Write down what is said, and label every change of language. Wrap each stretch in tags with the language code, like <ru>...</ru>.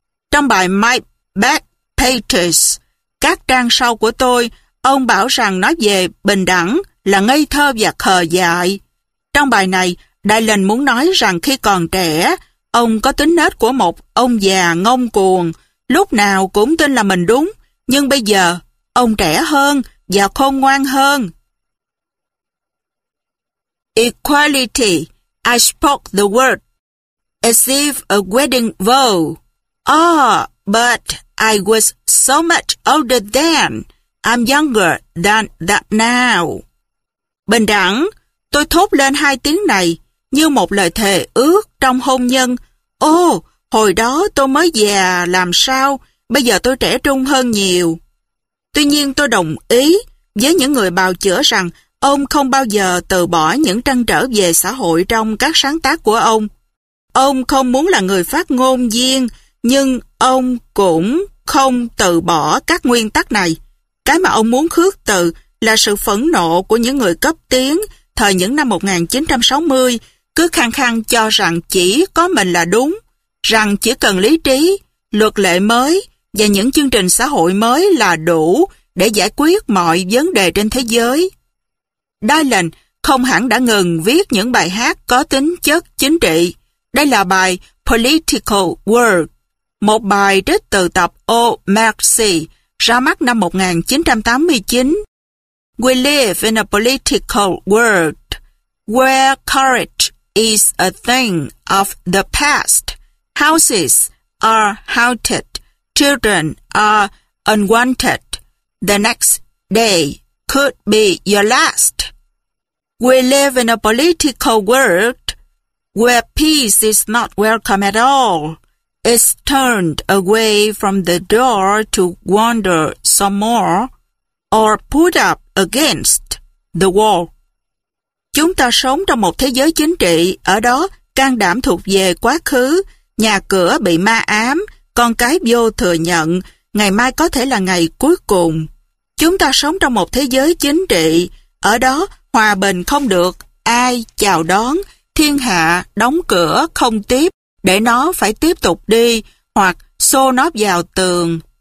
<vi>Trong bài My Bad Patriots, các trang sau của tôi, ông bảo rằng nói về bình đẳng là ngây thơ và khờ dại. Trong bài này, Dylan muốn nói rằng khi còn trẻ, ông có tính nết của một ông già ngông cuồng, lúc nào cũng tin là mình đúng, nhưng bây giờ ông trẻ hơn và khôn ngoan hơn.</vi> <en>Equality, I spoke the word, as if a wedding vow. Ah, but I was so much older then, I'm younger than that now.</en> <vi>Bình đẳng, tôi thốt lên hai tiếng này như một lời thề ước trong hôn nhân. Ô, hồi đó tôi mới già làm sao, bây giờ tôi trẻ trung hơn nhiều. Tuy nhiên tôi đồng ý với những người bào chữa rằng ông không bao giờ từ bỏ những trăn trở về xã hội trong các sáng tác của ông. Ông không muốn là người phát ngôn viên, nhưng ông cũng không từ bỏ các nguyên tắc này. Cái mà ông muốn khước từ là sự phẫn nộ của những người cấp tiến thời những năm 1960 cứ khăng khăng cho rằng chỉ có mình là đúng, rằng chỉ cần lý trí, luật lệ mới và những chương trình xã hội mới là đủ để giải quyết mọi vấn đề trên thế giới. Dylan không hẳn đã ngừng viết những bài hát có tính chất chính trị. Đây là bài Political World, một bài trích từ tập O Mercy ra mắt năm 1989.</vi> <en>We live in a political world where courage is a thing of the past. Houses are haunted, children are unwanted. The next day could be your last. We live in a political world where peace is not welcome at all. It's turned away from the door to wander some more or put up against the wall.</en> <vi>Chúng ta sống trong một thế giới chính trị, ở đó can đảm thuộc về quá khứ, nhà cửa bị ma ám, con cái vô thừa nhận, ngày mai có thể là ngày cuối cùng. Chúng ta sống trong một thế giới chính trị, ở đó hòa bình không được ai chào đón, thiên hạ đóng cửa không tiếp, để nó phải tiếp tục đi hoặc xô nó vào tường.</vi>